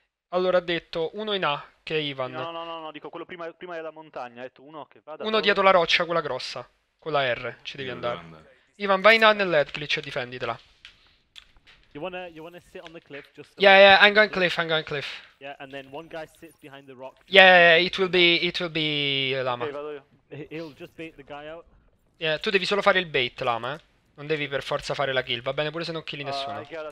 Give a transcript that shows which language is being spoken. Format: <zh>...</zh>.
<it>Allora ha detto uno in A, che è Ivan. No, dico quello prima della montagna, ha detto uno che vada. Uno dietro la roccia, quella grossa, con la R, ci devi andare. Ivan, vai in A nell'head glitch e difenditela.</it> <en>You wanna sit on the cliff? Yeah, I'm going cliff. Yeah, and then one guy sits behind the rock. Yeah, it will be Lama. Okay, he'll just bait the guy out.</en> <it>Yeah, tu devi solo fare il bait, Lama, eh. Non devi per forza fare la kill, va bene pure se non killi nessuno.</it>